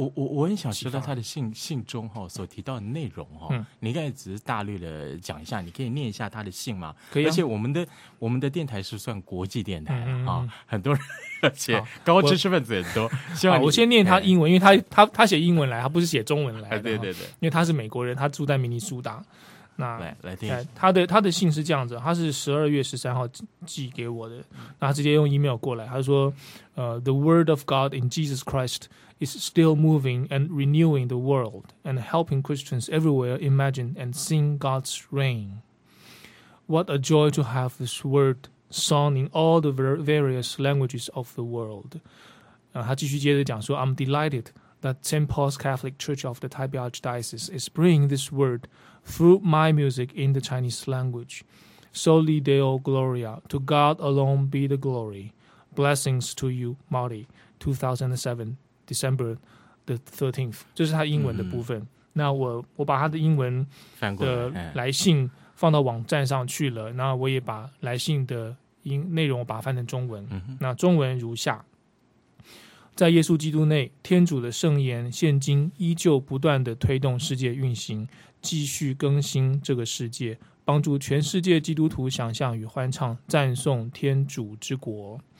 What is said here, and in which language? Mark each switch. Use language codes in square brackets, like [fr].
[zh] 我很想知道他的信中所提到的内容你应该只是大略的讲一下，你可以念一下他的信吗？可以、而且我们的电台是算国际电台很多人，而且高知识分子很多。我先念他英文，因为他写英文来，他不是写中文来。对对对，因为他是美国人，他住在明尼苏达。那来听他的信是这样子，他是12月13号寄给我的，那他直接用 email 过来，他说 [en] The word of God in Jesus Christ is still moving and renewing the world and helping Christians everywhere imagine and sing God's reign. What a joy to have this word sung in all the various languages of the world. [zh] 他继续接着讲说 [en] I'm delighted that St. Paul's Catholic Church of the Taipei Archdiocese is bringing this wordthrough my music in the Chinese language. Soli Deo Gloria, to God alone be the glory. Blessings to you, Marty, 2007, December the 13th. [zh] 这是他英文的部分。那我把他的英文的来信放到网站上去了，那我也把来信的内容我把它翻成中文。那中文如下。在耶稣基督内，天主的圣言现今依旧不断地推动世界运行，继续更新这个世界，帮助全世界基督徒想象与欢唱赞颂天主之国。